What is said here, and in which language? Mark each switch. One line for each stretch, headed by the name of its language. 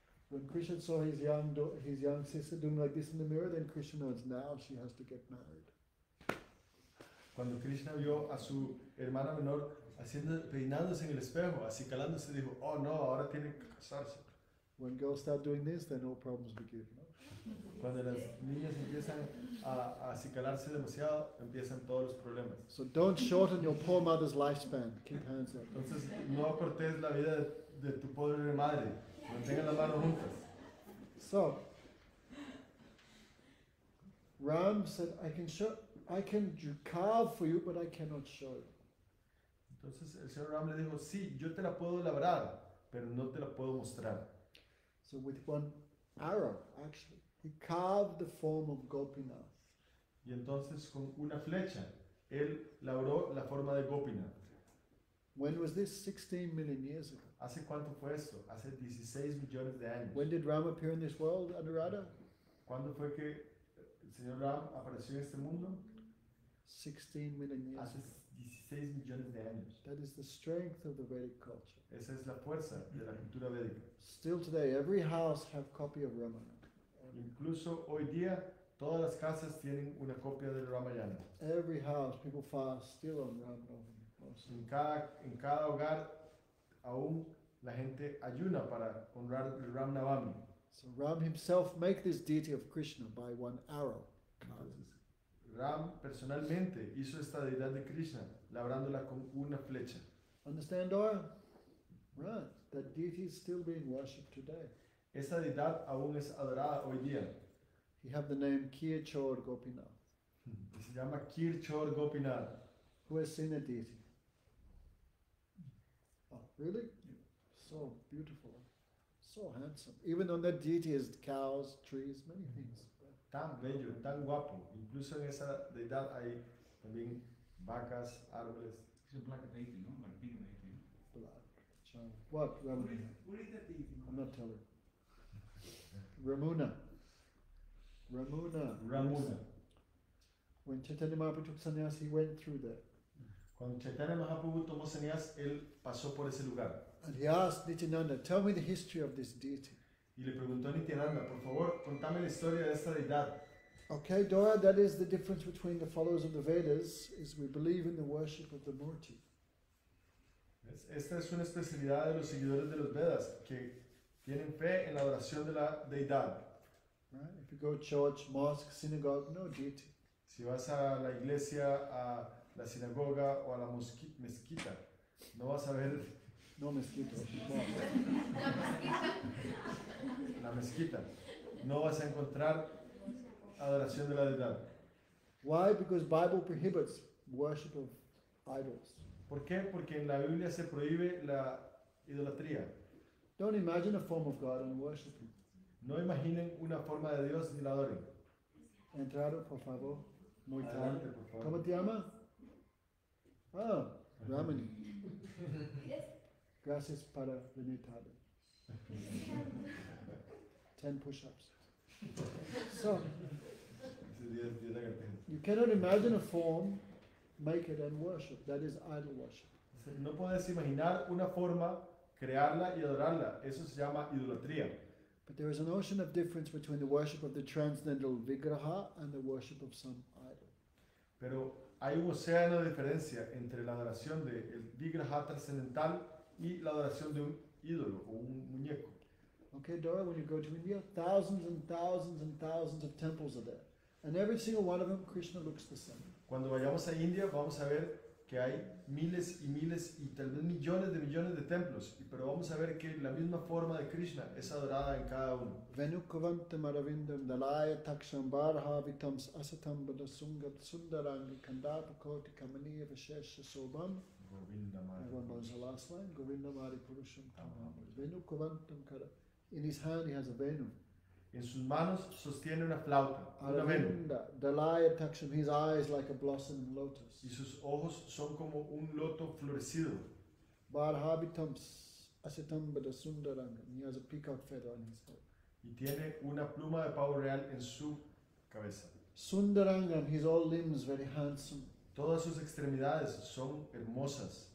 English: When Krishna saw his young sister doing like this in the mirror, then Krishna knows now she has to get married.
Spanish: Cuando Krishna vio a su hermana menor haciendo peinándose en el espejo, acicalándose, dijo, "Oh no, ahora tiene que casarse."
English: When girls start doing this, then all problems begin. No?
Spanish: Cuando las niñas empiezan a acicalarse demasiado, empiezan todos los problemas.
English: So don't shorten your poor mother's lifespan. Keep hands up.
Spanish: Entonces no cortes la vida de tu pobre madre. Mantengan las manos juntas.
English: So, Ram said, I can carve for you, but I cannot show you.
Spanish: Entonces el señor Ram le dijo, sí, yo te la puedo labrar, pero no te la puedo mostrar.
English: So with one arrow, actually, he carved the form of Gopinath.
Spanish: Y entonces con una flecha, él labró la forma de Gopinath.
English: When was this? 16 million years ago.
Spanish: ¿Hace cuánto fue esto? Hace 16 millones de años.
English: When did Ram appear in this world, Anuradha?
Spanish: ¿Cuándo fue que el señor Ram apareció en este mundo?
English: 16 million years.
Spanish: Hace 16 millones de años.
English: That is the strength of the Vedic culture.
Spanish: Esa es la fuerza de la cultura védica.
English: Still today, every house has a copy of Ramayana.
Spanish: Incluso hoy día, todas las casas tienen una copia del Ramayana.
English: Every house, people fast still on Ramayana.
Spanish: En cada hogar, aún la gente ayuna para honrar el Ram Navami.
English: So Ram himself make this deity of Krishna by one arrow.
Spanish: Ram personalmente hizo esta deidad de Krishna labrándola con una flecha.
English: Understand, Dora? Right. That deity is still being worshipped today.
Spanish: Esa deidad aún es adorada hoy día.
English: He have the name Kirchor Gopinath.
Spanish: Se llama Kirchor Gopinath.
English: Who has seen a deity? Really? So beautiful. So handsome. Even on that deity is cows, trees, many things.
Spanish: Tan bello, tan guapo. Incluso en esa deidad hay también vacas, árboles.
English: It's a black deity, no? Like big deity. Black. Child. What? Ramuna. What is that deity? I'm not telling. Ramuna. Ramuna. Ramuna. When Chaitanya Mahaprabhu took sannyas, he went through there.
Spanish: Cuando Chaitanya Mahaprabhu tomó sannyas, él pasó por ese lugar.
English: And he asked Nityananda, tell me the history of this deity.
Spanish: Y le preguntó a Nityananda, por favor, contame la historia de esta deidad.
English: Okay, Dora, that is the difference between the followers of the Vedas, is we believe in the worship of the Murti.
Spanish: Esta es una especialidad de los seguidores de los Vedas, que tienen fe en la adoración de la deidad.
English: Right? If you go to church, mosque, synagogue, no deity.
Spanish: Si vas a la iglesia, a la sinagoga o a la mezquita, no vas a ver. No mezquita. La mezquita. No vas a encontrar adoración de la deidad.
English: Why? Because Bible prohibits worship of idols.
Spanish: ¿Por qué? Porque en la Biblia se prohíbe la idolatría.
English: Don't imagine a form of God and worship him.
Spanish: No imaginen una forma de Dios ni la adoren. Entrado, por favor. Muy adelante, tarde. Por favor. ¿Cómo te llamas? Oh, Ramani. Gracias para venir tarde.
English: 10 push-ups. So, you cannot imagine a form, make it and worship. That is idol worship.
Spanish: No puedes imaginar una forma, crearla y adorarla. Eso se llama idolatría.
English: But there is an ocean of difference between the worship of the transcendental vigraha and the worship of some idol.
Spanish: Pero hay un océano de diferencia entre la adoración de el vigraha trascendental y la adoración de un ídolo o un muñeco.
English: Okay, Dora, when you go to India, thousands and thousands and thousands of temples are there. And every single one of them, Krishna looks the same.
Spanish: Cuando vayamos a India, vamos a ver que hay miles y miles y tal vez millones de millones de templos. Pero vamos a ver que la misma forma de Krishna es adorada en cada uno.
Sanskrit: Venukavanta maravindam dalaya taksham barha vitams asatam badasunga sundarangi kandapa koti kamaniya vishesha sobham. Govinda Mari Purusham. Venukavantam kara.
English: In his hand he has a venu.
Spanish: En sus manos sostiene una flauta,
Sanskrit: Aravinda,
Spanish: una venu.
Sanskrit: Dalaya taksham,
English: his eyes like a blossom and lotus.
Spanish: Y sus ojos son como un loto florecido.
Sanskrit: Barhabitams asetam badasundarangam.
English: He has a peacock feather on his head.
Spanish: Y tiene una pluma de pavo real en su cabeza.
English: Sundarangam, his all limbs very handsome.
Spanish: Todas sus extremidades son hermosas.